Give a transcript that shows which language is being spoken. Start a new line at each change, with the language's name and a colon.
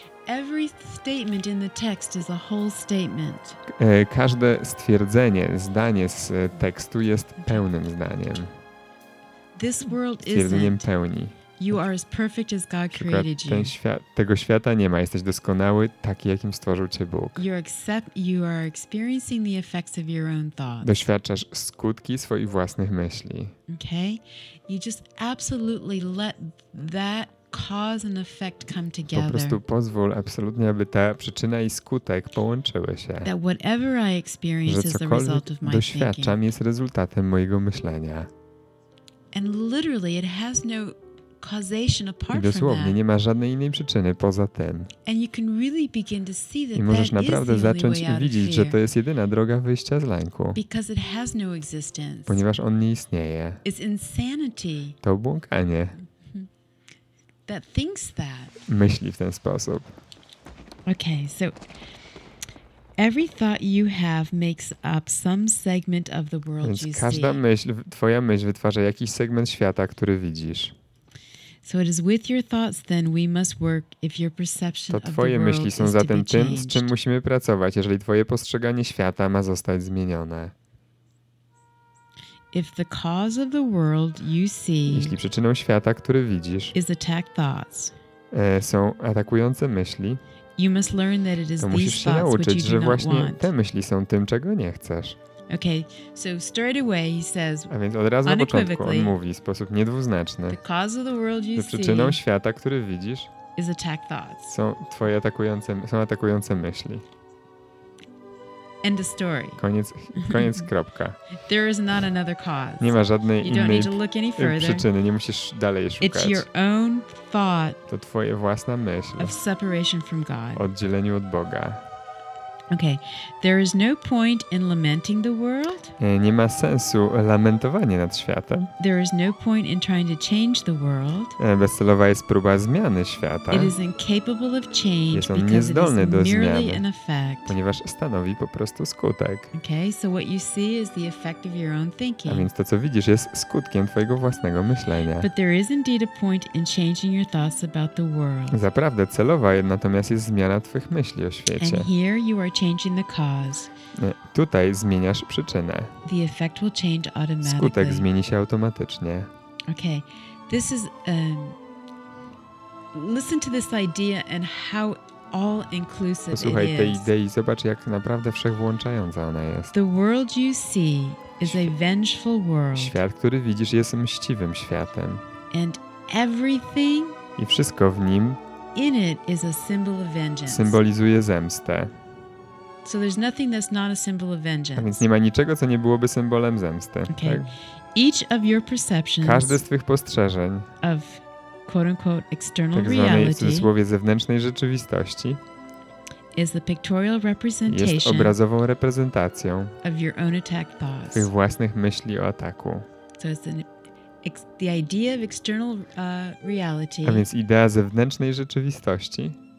English: Every statement in the text is a whole statement.
Polish: Każde stwierdzenie, zdanie z tekstu jest pełnym zdaniem.
English: This world
Polish: stwierdzeniem pełni.
English: You are as perfect as God created you.
Polish: Tego świata nie ma. Jesteś doskonały, taki jakim stworzył cię Bóg.
English: You are experiencing the effects of your own thoughts.
Polish: Doświadczasz skutki swoich własnych myśli.
English: Okay? You just absolutely let that cause and effect come together.
Polish: Po prostu pozwól absolutnie, aby ta przyczyna i skutek połączyły się.
English: That whatever I experience is the result of my thinking.
Polish: Doświadczam jest rezultatem mojego myślenia.
English: And literally it has no causation apart
Polish: i dosłownie nie ma żadnej innej przyczyny poza tym.
English: And you can really begin to see that
Polish: i możesz naprawdę zacząć widzieć,
English: fear,
Polish: że to jest jedyna droga wyjścia z lęku.
English: Because it has no existence.
Polish: Ponieważ on nie istnieje.
English: It's insanity.
Polish: To obłąkanie.
English: That thinks that.
Polish: Myśli w ten sposób.
English: Okay, so every thought you have makes up some segment of the world you see.
Polish: Więc każda myśl, twoja myśl wytwarza jakiś segment świata, który widzisz.
English: So it is with your thoughts then we must work if your perception of the world is to be changed.
Polish: To twoje myśli są zatem tym, z czym musimy pracować, jeżeli twoje postrzeganie świata ma zostać zmienione.
English: If the cause of the world you see
Polish: jeśli przyczyną świata, który widzisz
English: is attack thoughts,
Polish: są atakujące myśli,
English: you must learn that it is
Polish: to musisz się nauczyć, że właśnie te myśli są tym, czego nie chcesz.
English: Okay, so straight away he says,
Polish: a więc od razu na początku on mówi w sposób niedwuznaczny,
English: the cause of the world you
Polish: że przyczyną
English: see
Polish: świata, który widzisz,
English: is attack thoughts.
Polish: Są twoje atakujące myśli.
English: End of story.
Polish: Koniec kropka.
English: There is not another cause.
Polish: Nie ma żadnej innej przyczyny, nie musisz dalej szukać.
English: It's your own thought,
Polish: to twoje własna myśl
English: of separation from God,
Polish: oddzieleniu od Boga.
English: Okay, there is no point in lamenting the world.
Polish: Nie ma sensu lamentowanie nad światem.
English: There is no point in trying to change the world.
Polish: Bezcelowa jest próba zmiany świata.
English: It is incapable of change.
Polish: Jest on niezdolny
English: because it is
Polish: do
English: merely
Polish: zmiany,
English: an effect.
Polish: Ponieważ stanowi po prostu skutek.
English: Okay, so what you see is the effect of your own thinking.
Polish: A więc to co widzisz jest skutkiem twojego własnego myślenia.
English: But there is indeed a point in changing your thoughts about the world.
Polish: Zaprawdę celowa natomiast jest zmiana twych myśli o świecie.
English: And here you are changing the cause.
Polish: Tutaj zmieniasz przyczynę.
English: The effect will change automatically.
Polish: Skutek zmieni się automatycznie.
English: Okay. This is listen to this idea and how all inclusive it is.
Polish: Posłuchaj tej idei, zobacz jak naprawdę wszechwłączająca ona jest.
English: The world you see is a vengeful world.
Polish: Świat, który widzisz, jest mściwym światem.
English: And everything
Polish: i wszystko w nim
English: in it is a symbol of vengeance.
Polish: Symbolizuje zemstę.
English: So there's nothing that's not a symbol of vengeance.
Polish: A więc nie ma niczego, co nie byłoby symbolem zemsty.
English: Okay.
Polish: Tak?
English: Each of your perceptions,
Polish: każde z twych postrzeżeń
English: of quote unquote external
Polish: tak zwanej,
English: reality,
Polish: w cudzysłowie zewnętrznej rzeczywistości
English: is the pictorial representation
Polish: jest obrazową reprezentacją
English: of your own attack thoughts,
Polish: twych własnych myśli o ataku.
English: So it's the idea of external reality,
Polish: a więc idea zewnętrznej rzeczywistości